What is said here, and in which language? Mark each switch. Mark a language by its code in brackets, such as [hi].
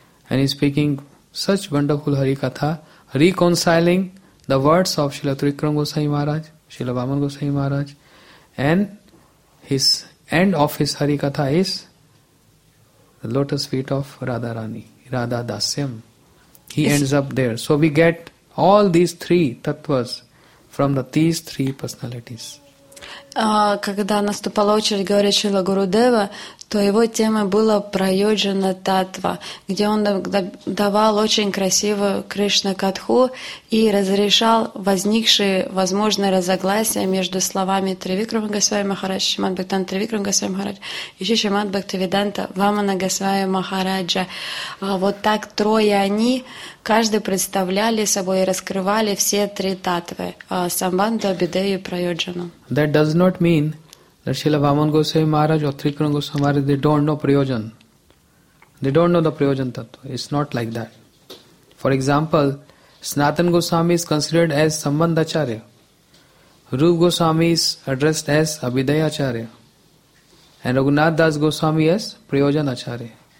[en] And he is speaking such wonderful Harikatha, reconciling the words of Srila Trivikram Goswami Maharaj, Srila Vaman Goswami Maharaj, and his end of his Harikatha is the lotus feet of Radha Rani, Radha Dasyam. He ends up there. So we get all these three tattvas from these three personalities. [ru] Когда наступала очередь говорить Шрила Гурудева, то его тема была Прайоджана Таттва, где он давал очень красивую Кришна Катху и разрешал возникшие возможные разногласия между словами Тривикрама Госвами Махарадж, Шримад Бхактивиданта Тривикрама Госвами Махарадж и Шримад Бхактивиданта Вамана Госвами Махараджа. Вот так трое они, каждый представляли собой и раскрывали все три таттвы Самбандху, Абидею и Прайоджану. [en] That does not mean that Srila Vaman Goswami Maharaj or Trivikram Goswami Maharaj, they don't know Prayojan. They don't know the Prayojan Tattva. It's not like that. For example, Sanatana Goswami is considered as Sambandhacharya. Rupa Goswami is addressed as Abhidayacharya. And Raghunath Das Goswami as Prayojanacharya.